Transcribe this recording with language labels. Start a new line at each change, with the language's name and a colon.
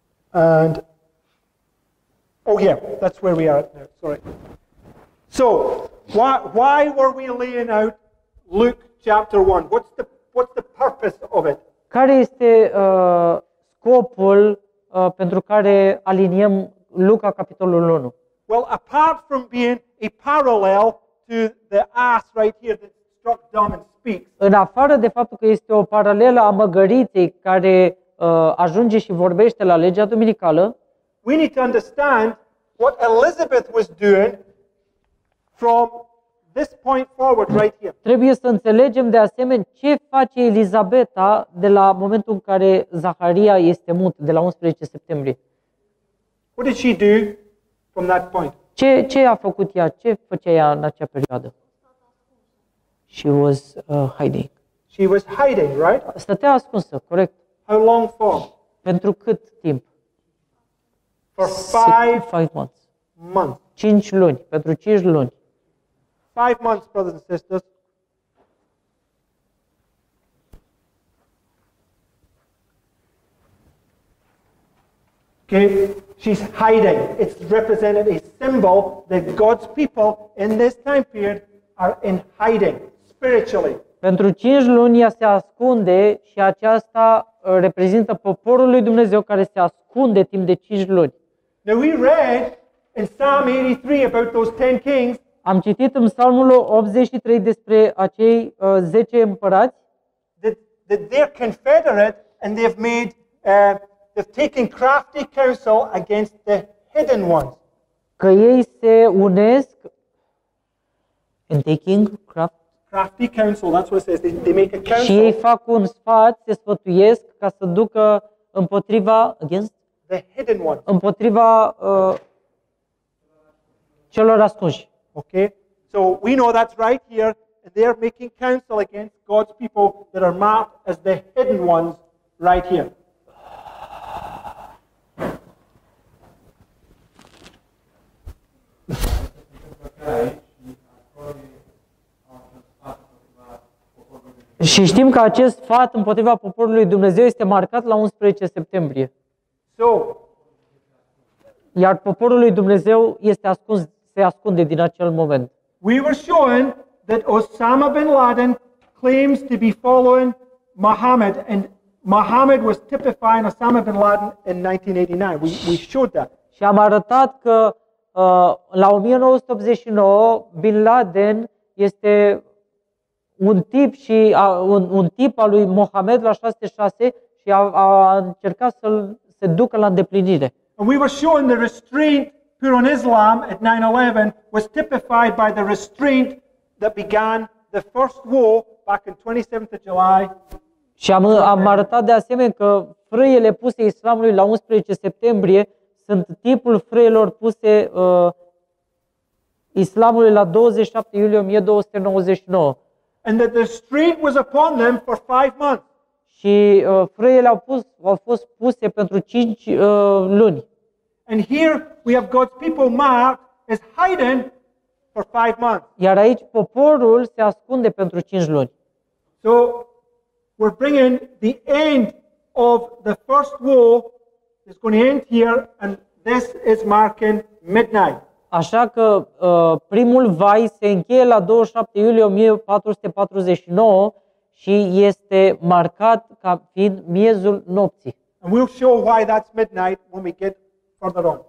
English: And oh yeah, that's where we are now. Sorry. So why were we laying out Luke chapter 1? What's the purpose of it?
Romanian: Care este scopul pentru care aliniem Luca capitolul 1.
English: Well, apart from being a parallel to the ass right here that struck dumb and speaks.
Romanian: În afară de faptul că este o paralelă a măgăriței care ajunge și vorbește la legea duminicală,
English: we need to understand what Elizabeth was doing from this point forward right here.
Romanian: Trebuie să înțelegem de asemenea ce face Elizabeta de la momentul în care Zaharia este mut, de la 11 septembrie.
English: What did she do from that point?
Romanian: Ce a făcut ea? Ce făcea ea în acea perioadă?
English: She was hiding. She was hiding, right?
Romanian: Stătea ascunsă, corect.
English: How long for?
Romanian: Pentru cât timp?
English: For five months. Months.
Romanian: 5 luni, pentru 5 luni.
English: 5 months, brothers and sisters. Okay, she's hiding. It's represented a symbol that God's people in this time period are in hiding spiritually.
Romanian: Pentru 5 luni ea se ascunde și aceasta reprezintă poporul lui Dumnezeu care se ascunde timp de 5 luni.
English: Now we read in Psalm 83 about those 10 kings.
Romanian: Am citit în Psalmul 83 despre acei 10 împărați.
English: That they're confederate and they've made they've taken crafty counsel against the hidden ones.
Romanian: Că ei se unesc
English: and taking crafty counsel, that's what it says. They make a counsel.
Romanian: Și ei fac un sfat, se sfătuiesc ca să ducă împotriva
English: against the hidden ones.
Romanian: Împotriva celor ascunși.
English: Okay? So we know that's right here. They are making counsel against God's people that are marked as the hidden ones right here.
Romanian: Și știm că acest fapt împotriva poporului Dumnezeu este marcat la 11 septembrie.
English: So,
Romanian: iar poporul lui Dumnezeu este ascuns, se ascunde din acel moment.
English: We were shown that Osama bin Laden claims to be following Muhammad, and Muhammad was typifying Osama bin Laden in 1989. We showed that.
Romanian: Și am arătat că la 1989 bin Laden este un tip și un tip al lui Muhammad la 66 și a încercat să se ducă la îndeplinire.
English: And we were showing the restraint put on Islam at 9/11 was typified by the restraint that began the first war back in 27th of July.
Romanian: Și am arătat de asemenea că frâiele puse Islamului la 11 septembrie sunt tipul frâielor puse Islamului la 27 iulie 1299.
English: And that the restraint was upon them for 5 months.
Romanian: Și frâiele au fost puse pentru 5 luni.
English: And here we have God's people marked as hiding for 5 months.
Romanian: Iar aici poporul se ascunde pentru 5 luni.
English: So we're bringing the end of the first war is going to end here and this is marking midnight.
Romanian: Așa că primul vai se încheie la 27 iulie 1449 și este marcat ca fiind miezul nopții.
English: And we'll show why that's midnight when we get further on.